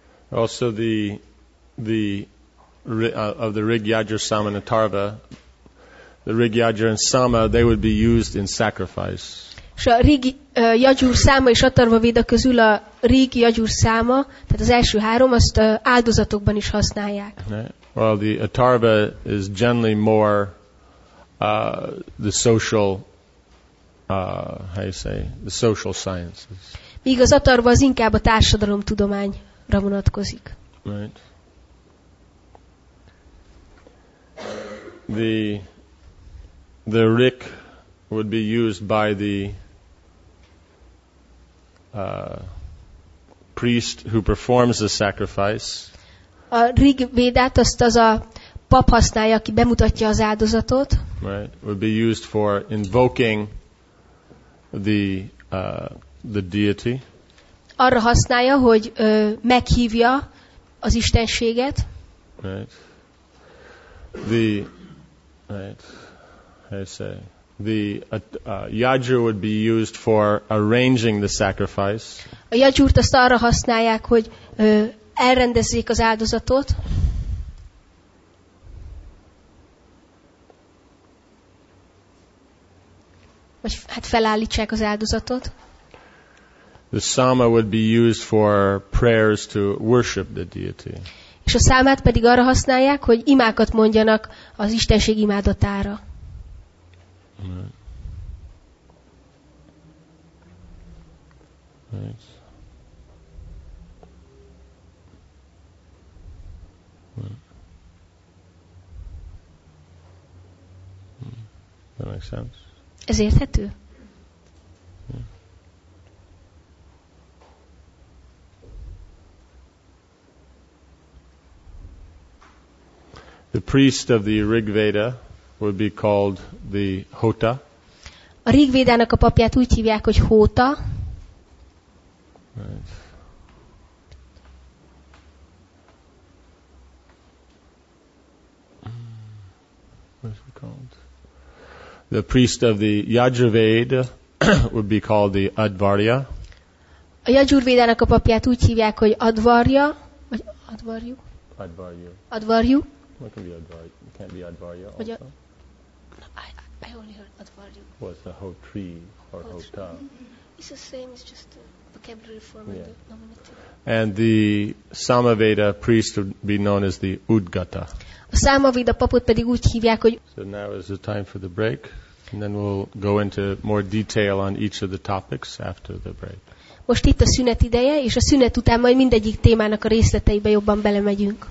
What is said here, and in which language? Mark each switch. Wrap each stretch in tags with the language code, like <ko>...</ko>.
<en>Also the of the Rig Yajur Sama and Atharva, the Rig Yajur and Sama, they would be used in sacrifice.</en> <hu>És a Rig Yajur Sama és Atharva Véda közül a Rig Yajur Sama, tehát az első három, azt áldozatokban is használják.</hu> <en>Well, the Atharva is generally more the social, the social sciences.</en> <hu>Míg az Atharva az inkább a társadalomtudomány. Vonatkozik.</hu> <en>Right. The Rik would be used by the priest who performs the sacrifice.</en> <hu>A Rig Védát azt az a pap használja, aki bemutatja az áldozatot.</hu> <en>Right. Would be used for invoking the deity.</en> <hu>Arra használja, hogy meghívja az istenséget.</hu> <en>Right. The right. How do I say? The yajur would be used for arranging the sacrifice.</en> <hu>A yajurt azt arra használják, hogy elrendezzék az áldozatot. Vagy hát felállítsák az áldozatot.</hu> <en>The sama would be used for prayers to worship the deity.</en> <hu>És a számát pedig arra használják, hogy imákat mondjanak az istenség imádatára.</hu> <en>That makes sense.</en> <hu>Ez érthető?</hu> <en>The priest of the Rig Veda would be called the Hota.</en> <hu>A Rig Védának a papját úgy hívják, hogy Hota.</hu> <en>Right. What's it called? The priest of the Yajur Veda would be called the Advarya.</en> <hu>A Yajur Védának a papját úgy hívják, hogy Advarya, vagy Advarju. Advarju. Advarju.</hu> <en>What can be Advarya? It can't be Advarya also. I only heard Advarya. Well, it's a Hotri or Hota. It's the same, it's just a vocabulary form of the nominative. And the Samaveda priest would be known as the Udgata.</en> <hu>A Samaveda papot pedig úgy hívják, hogy...</hu> <en>So now is the time for the break, and then we'll go into more detail on each of the topics after the break.</en> <hu>Most itt a szünet ideje, és a szünet után majd mindegyik témának a részleteibe jobban belemegyünk.</hu>